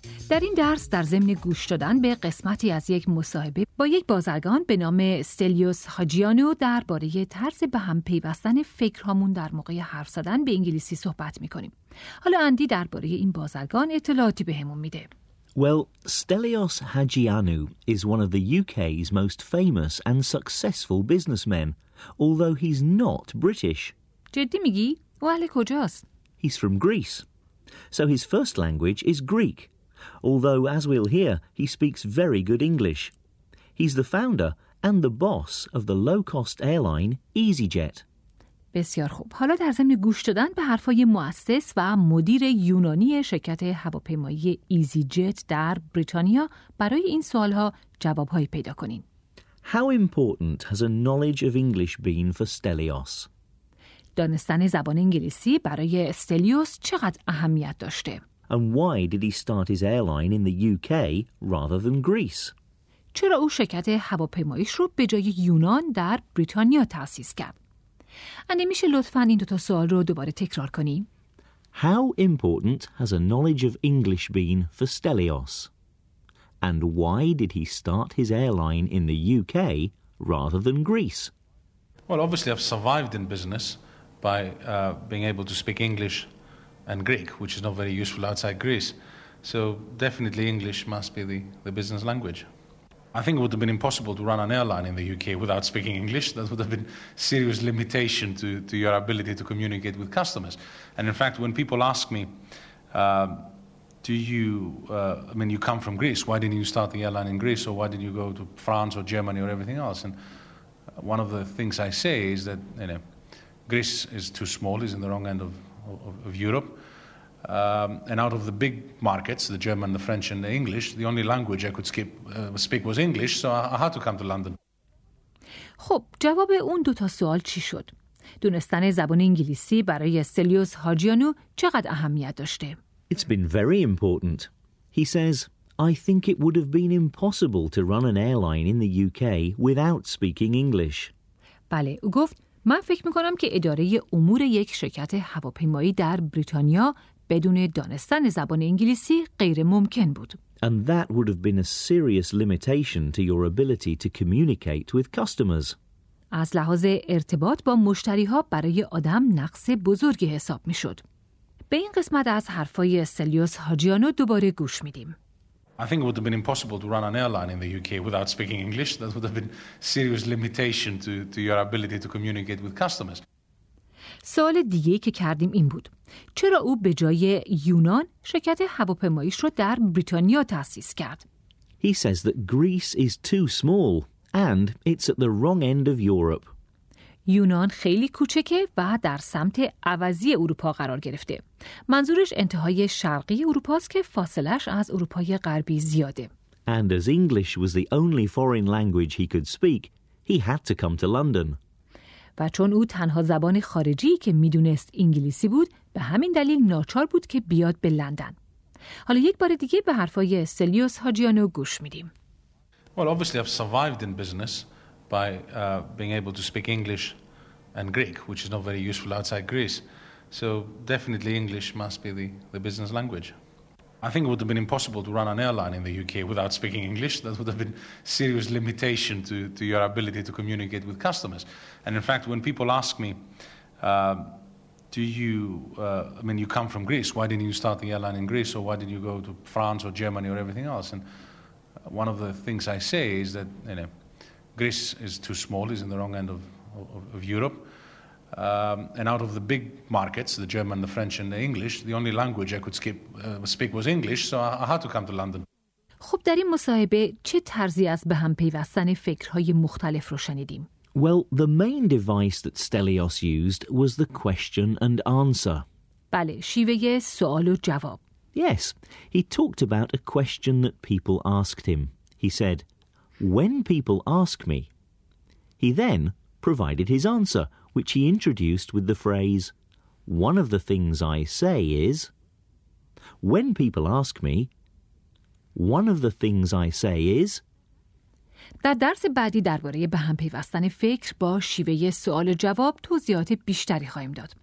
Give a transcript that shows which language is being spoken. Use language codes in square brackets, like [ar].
[fa] در این درس در ضمن گوش دادن به قسمتی از یک مصاحبه با یک بازرگان به نام استلیوس حاجیانو درباره طرز به هم پیوستن فکرهامون در موقع حرف زدن به انگلیسی صحبت می‌کنیم. حالا اندی درباره این بازرگان اطلاعاتی بهمون میده. [en] Well, Stelios Hagianu is one of the UK's most famous and successful businessmen, although he's not British. [fa] جدی میگی؟ او اهل کجاست؟ [en] He's from Greece. So his first language is Greek, although, as we'll hear, he speaks very good English. He's the founder and the boss of the low-cost airline EasyJet. [fa] بسیار خوب. حالا در ضمن گوش دادن به حرفای مؤسس و مدیر یونانی شرکت هواپیمایی ایزی جت در بریتانیا برای این سوال‌ها جواب‌های پیدا کنین. [en] How important has a knowledge of English been for Stelios? [fa] دانستن زبان انگلیسی برای استلیوس چقدر اهمیت داشته؟ [en] And why did he start his airline in the UK rather than Greece? [fa] چرا او شرکت هواپیماییش رو به جای یونان در بریتانیا تأسیس کرد؟ اندی میشه لطفاً این دوتا سوال رو دوباره تکرار کنی؟ [en] How important has a knowledge of English been for Stelios? And why did he start his airline in the UK rather than Greece? Well, obviously I've survived in business by being able to speak English and Greek, which is not very useful outside Greece. So definitely English must be the business language. I think it would have been impossible to run an airline in the UK without speaking English. That would have been serious limitation to your ability to communicate with customers. And in fact, when people ask me, you come from Greece, why didn't you start the airline in Greece, or why didn't you go to France or Germany or everything else? And one of the things I say is that, you know, Greece is too small, it's in the wrong end of Europe. And out of the big markets, the German, the French and the English, the only language I could speak was English, so I had to come to London. [fa] خب، جواب اون دوتا سوال چی شد؟ دونستن زبان انگلیسی برای استلیوس حاجیانو چقدر اهمیت داشته؟ [en] It's been very important. He says, I think it would have been impossible to run an airline in the UK without speaking English. [fa] بله، او گفت، من فکر میکنم که اداره امور یک شرکت هواپیمایی در بریتانیا بدون دانستن زبان انگلیسی غیر ممکن بود. [en] And that would have been a serious limitation to your ability to communicate with customers. [fa] از لحاظ ارتباط با مشتری‌ها برای آدم نقص بزرگی حساب می‌شد. به این قسمت از حرفای استلیوس حاجیانو دوباره گوش می‌دیم. [en] I think it would have been impossible to run an airline in the UK without speaking English. That would have been serious limitation to your ability to communicate with customers. [fa] سوال دیگه‌ای که کردیم این بود. چرا او به جای یونان شرکت هواپیماییش رو در بریتانیا تأسیس کرد؟ [en] He says that Greece is too small and it's at the wrong end of Europe. [fa] یونان خیلی کوچکه و در سمت عوضی اروپا قرار گرفته. منظورش انتهای شرقی اروپاست که فاصلش از اروپای غربی زیاده. [en] And as English was the only foreign language he could speak, he had to come to London. [fa] و چون او تنها زبان خارجی که میدونست انگلیسی بود، به همین دلیل ناچار بود که بیاد به لندن. حالا یک بار دیگه به حرفای سلیوس حاجیانو گوش میدیم. [en] Well, obviously I've survived in business by being able to speak English and Greek, which is not very useful outside Greece. So definitely English must be the business language. I think it would have been impossible to run an airline in the UK without speaking English. That would have been serious limitation to your ability to communicate with customers. And in fact, when people ask me, you come from Greece, why didn't you start the airline in Greece, or why didn't you go to France or Germany or everything else? And one of the things I say is that, you know, Greece is too small, is in the wrong end of Europe. And out of the big markets, the German, the French and the English, the only language I could speak was English, so I had to come to London. [fa] خب در این مصاحبه چه طرزی از به هم پیوستن فکرهای مختلف رو شنیدیم؟ [en] Well, the main device that Stelios used was the question and answer. [fa] بله، شیوه سوال و جواب. [en] Yes, he talked about a question that people asked him. He said, when people ask me, he then provided his answer, which he introduced with the phrase, one of the things I say is, when people ask me, one of the things I say is. [fa] در درس بعدی درباره به هم پیوستن فکر با شیوه سوال و جواب توضیحات بیشتری خواهیم داد.